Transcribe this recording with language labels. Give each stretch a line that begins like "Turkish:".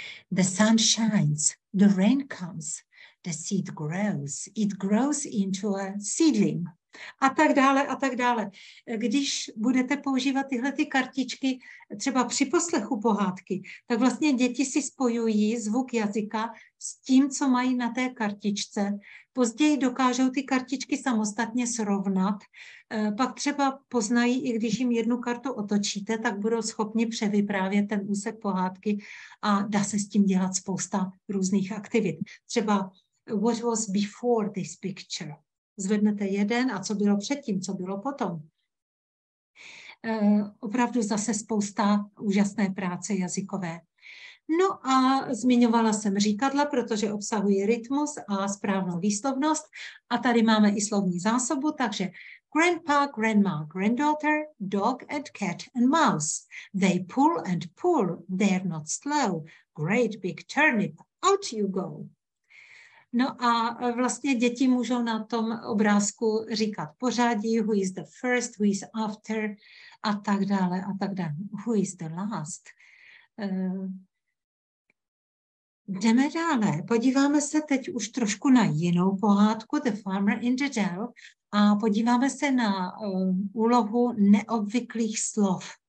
English: The sun shines, the rain comes, the seed grows, it grows into a seedling.
Czech: A tak dále, a tak dále. Když budete používat tyhle ty kartičky třeba při poslechu pohádky, tak vlastně děti si spojují zvuk jazyka s tím, co mají na té kartičce. Později dokážou ty kartičky samostatně srovnat. Pak třeba poznají, i když jim jednu kartu otočíte, tak budou schopni převyprávět ten úsek pohádky a dá se s tím dělat spousta různých aktivit. Třeba
English: what was before this picture?
Czech: Zvednete jeden a co bylo předtím, co bylo potom. Opravdu zase spousta úžasné práce jazykové. No a zmiňovala jsem říkadla, protože obsahují rytmus a správnou výslovnost. A tady máme i slovní zásobu, takže
English: grandpa, grandma, granddaughter, dog and cat and mouse. They pull and pull, they're not slow. Great big turnip, out you go.
Czech: No a vlastně děti můžou na tom obrázku říkat pořadí,
English: who is the first, who is after
Czech: a tak dále a tak dále.
English: Who is the last?
Czech: Jdeme dále. Podíváme se teď už trošku na jinou pohádku, The Farmer in the Dell, a podíváme se na úlohu neobvyklých slov.